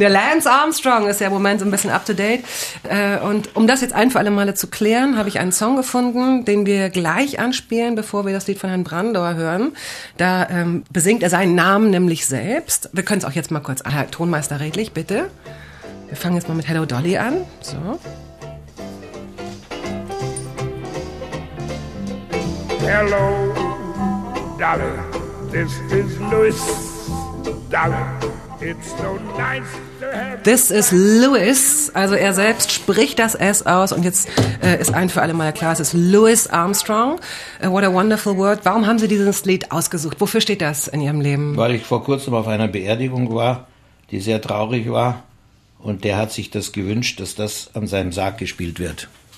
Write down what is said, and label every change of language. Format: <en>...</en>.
<de>Der Lance Armstrong ist ja im Moment so ein bisschen up to date. Und um das jetzt ein für alle Male zu klären, habe ich einen Song gefunden, den wir gleich anspielen, bevor wir das Lied von Herrn Brandauer hören. Da besingt er seinen Namen nämlich selbst. Wir können es auch jetzt mal kurz an. Herr Tonmeister Redlich, bitte. Wir fangen jetzt mal mit Hello Dolly an. So.</de> <en>Hello Dolly, this is Louis Dolly. It's so nice to have.</en> <de>This is Louis, also er selbst spricht das S aus und jetzt ist ein für alle Mal klar, es ist Louis Armstrong. What a Wonderful World. Warum haben Sie dieses Lied ausgesucht? Wofür steht das in Ihrem Leben? Weil ich vor kurzem auf einer Beerdigung war, die sehr traurig war und der hat sich das gewünscht, dass das an seinem Sarg gespielt wird.</de>